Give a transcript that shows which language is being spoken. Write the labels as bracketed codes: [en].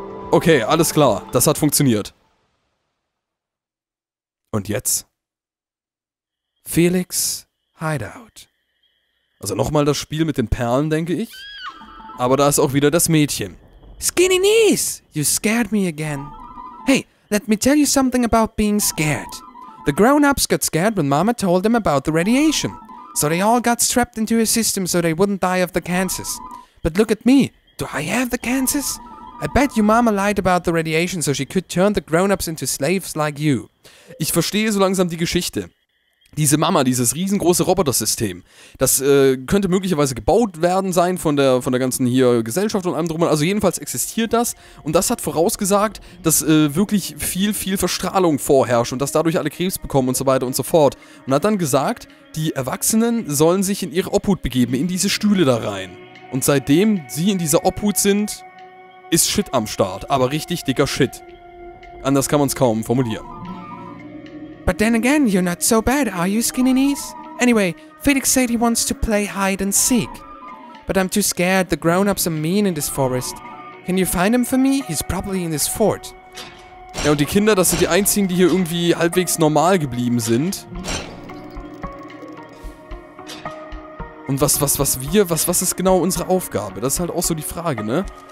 [de] Okay, alles klar. Das hat funktioniert. Und jetzt? [en] Felix Hideout. [de] Also nochmal das Spiel mit den Perlen, denke ich. Aber da ist auch wieder das Mädchen. [en] Skinny knees! You scared me again. Hey, let me tell you something about being scared. The grown-ups got scared when Mama told them about the radiation. So they all got strapped into a system so they wouldn't die of the cancers. But look at me. Do I have the cancers? I bet your mama lied about the radiation, so she could turn the grown-ups into slaves like you. [de] Ich verstehe so langsam die Geschichte. diese Mama, dieses riesengroße Robotersystem, das könnte möglicherweise gebaut werden sein von der ganzen hier Gesellschaft und allem drum. Also jedenfalls existiert das und das hat vorausgesagt, dass wirklich viel, viel Verstrahlung vorherrscht und dass dadurch alle Krebs bekommen und so weiter und so fort. Und hat dann gesagt, die Erwachsenen sollen sich in ihre Obhut begeben, in diese Stühle da rein. Und seitdem sie in dieser Obhut sind, ist Shit am Start, aber richtig dicker Shit. Anders kann man es kaum formulieren. [en] But then again, you're not so bad, are you, Skinny Knees? Anyway, Felix said he wants to play hide and seek. But I'm too scared, the grown-ups are mean in this forest. Can you find him for me? He's probably in this fort. [de] Ja, und die Kinder, das sind die einzigen, die hier irgendwie halbwegs normal geblieben sind. Und was ist genau unsere Aufgabe? Das ist halt auch so die Frage, ne?